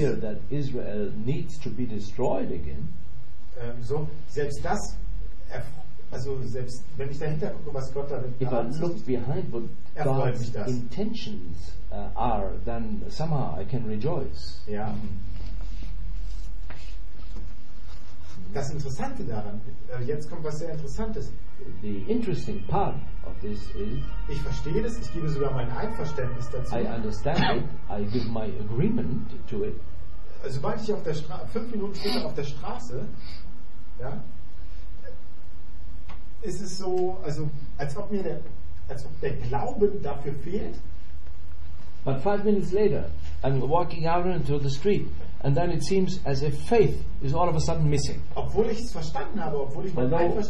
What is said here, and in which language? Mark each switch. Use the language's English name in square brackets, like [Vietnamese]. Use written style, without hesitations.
[English] hear that Israel needs to be destroyed again, [German] so selbst das, also selbst wenn ich dahinter gucke, was Gott damit [English] macht, behind what God's intentions are, then somehow I can rejoice. [German] Ja. Das Interessante daran, jetzt kommt was sehr Interessantes. [English] The interesting part of this is, [German] ich verstehe das, ich gebe sogar mein Einverständnis dazu. [English] I understand it, I give my agreement to it. [German] Sobald ich auf der Straße, 5 Minuten später auf der Straße, ja, ist es so, also als ob der Glaube dafür fehlt. [English] But 5 minutes later, I'm walking out into the street. And then it seems as if faith is all of a sudden missing. [German] Obwohl ich es verstanden habe, obwohl ich mein Einverständnis